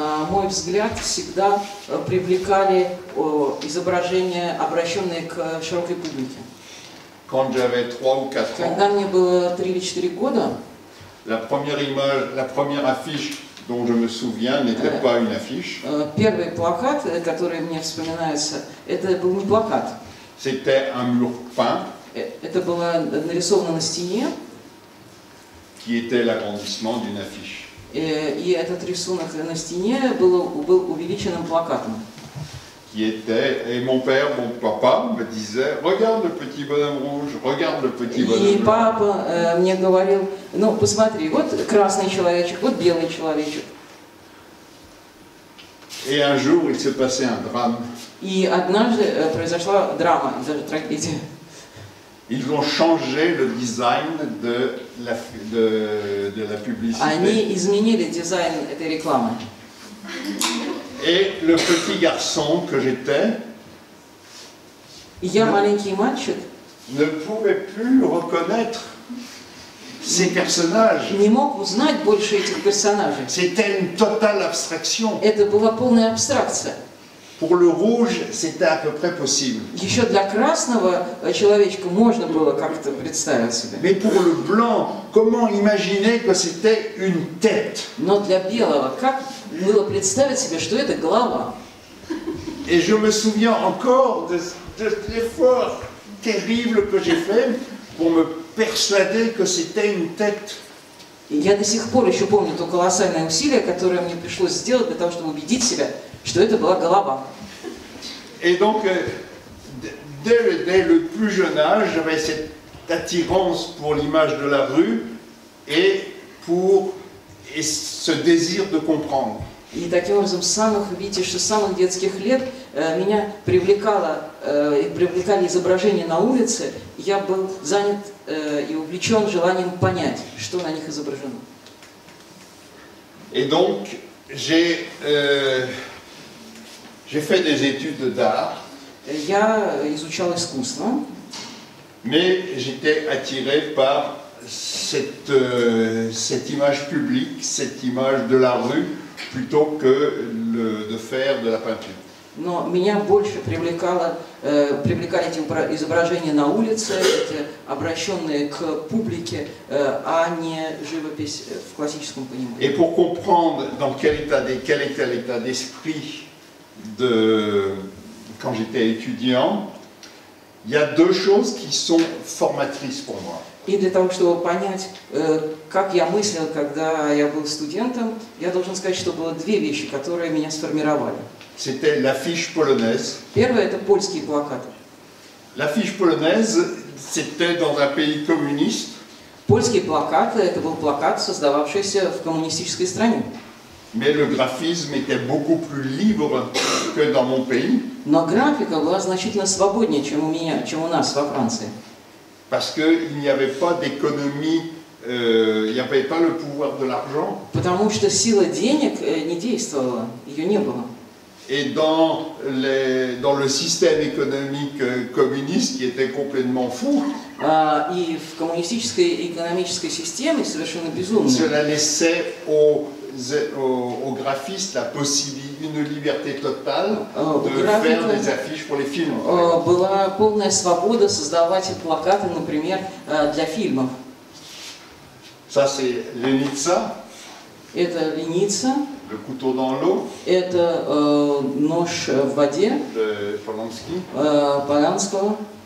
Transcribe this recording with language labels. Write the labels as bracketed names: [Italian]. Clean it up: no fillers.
[Russian] Мой взгляд всегда привлекали изображения, обращенные к широкой публике. [French] Quand j'avais 3 ou 4 ans, [Russian] когда мне было 3 или 4 года, [French] la première affiche dont je me souviens n'était pas une affiche. [Russian] Первый плакат, который мне вспоминается, это был не плакат. [French] C'était un mur peint. [Russian] Это было нарисовано на стене. [French] Qui était l'agrandissement d'une affiche. [Russian] И этот рисунок на стене был увеличенным плакатом. [French] Qui était, et mon père, mon papa me disait, regarde le petit bonhomme rouge, regarde le petit bonhomme rouge. [Russian] И папа мне говорил, ну посмотри, вот красный человечек, вот белый человечек. [French] Et un jour, il s'est passé un drame. [Russian] И однажды произошла драма, даже трагедия. [French] Ils ont changé le design de la publicité. [Russian] Они изменили дизайн этой рекламы. [French] Et le petit garçon que j'étais, [Russian] я маленький мальчик, [French] ne pouvait plus reconnaître ces personnages. [Russian] Не мог узнать больше этих персонажей. [French] C'était une totale abstraction. [Russian] Это была полная абстракция. [French] Pour le rouge, c'était à peu près possible. [Russian] Еще для красного человечка можно было как-то представить себе. [French] Mais pour le blanc, comment imaginer que c'était une tête? [Russian] Но для белого как было представить себе, что это голова? [French] Et je me souviens encore de l'effort terrible que j'ai fait pour me persuader que c'était une tête. [Russian] Я до сих пор еще помню то колоссальное усилие, которое мне пришлось сделать для того, чтобы убедить себя, что это была голова. [French] Et donc, dès le plus jeune âge, j'avais cette attirance pour l'image de la rue et ce désir de comprendre. [Russian] И таким образом, самых детских лет меня привлекало и привлекали изображения на улице. Я был занят и увлечен желанием понять, что на них изображено. [French] Et donc, j'ai fait des études d'art. [Russian] Я изучал искусство. [French] Mais j'étais attiré par cette image publique, cette image de la rue, plutôt que de faire de la peinture. [Russian] Но меня больше привлекали эти изображения на улице, эти обращенные к публике, а не живопись в классическом понимании. [French] Et pour comprendre dans quel état d'esprit de quand j'étais étudiant, il y a deux choses qui sont formatrices pour moi. [Russian] И для того, чтобы понять, как я мыслил, когда я был студентом, я должен сказать, что было две вещи, которые меня сформировали. [French] C'était l'affiche polonaise. [Russian] Первое, это польские плакаты. [French] L'affiche polonaise, c'était dans un pays communiste. [Russian] Польские плакаты, это был плакат, создававшийся в коммунистической стране. [French] Mais le graphisme était beaucoup plus libre que dans mon pays. [Russian] Но графика была значительно свободнее, чем у меня, чем у нас во Франции. [French] Parce qu'il n'y avait pas d'économie, il n'y avait pas le pouvoir de l'argent. [Russian] Потому что сила денег не действовала, ее не было. [French] Et dans le système économique communiste qui était complètement fou. [Russian] И в коммунистической экономической системе совершенно безумно. [French] Cela laissait aux graphistes la possibilité, une liberté totale de faire des affiches pour les films. [Russian] Была полная свобода создавать плакаты, например, для фильмов. [French] Ça c'est Lenitsa. [Russian] Это Леница. [French] Le couteau dans l'eau. [Russian] Это нож в воде. [French] De Polanski. [Polish] Polanskiego.